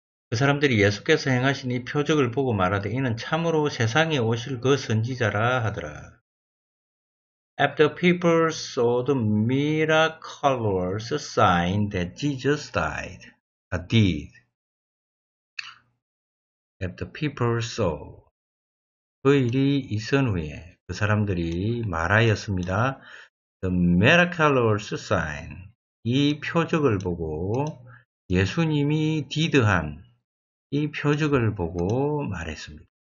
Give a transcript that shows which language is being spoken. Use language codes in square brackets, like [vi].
[ko] 그 사람들이 예수께서 행하신 이 표적을 보고 말하되 이는 참으로 세상에 오실 그 선지자라 하더라. [en] After people saw the miraculous sign that Jesus died, did. After people saw. [ko] 그 일이 있은 후에 그 사람들이 말하였습니다. [en] The miraculous sign. [ko] 이 표적을 보고 예수님이 did한 이 표적을 보고 말했습니다.